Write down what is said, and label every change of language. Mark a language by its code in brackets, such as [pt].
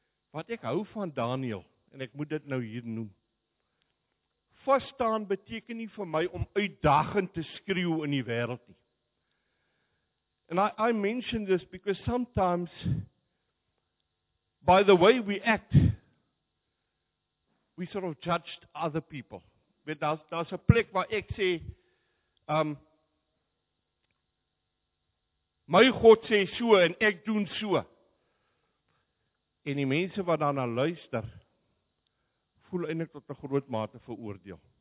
[af] Wat ek hou van Daniel, en ek moet dit nou hier noem, vasstaan beteken nie vir my om uitdagend te skreeu in die wêreld nie. [en] And I mention this because sometimes, by the way we act, we sort of judged other people. [af] Daar's 'n plek waar ek sê, my God sê so en ek doen so. En die mense wat daarna luister, voel eintlik tot 'n groot mate veroordeel.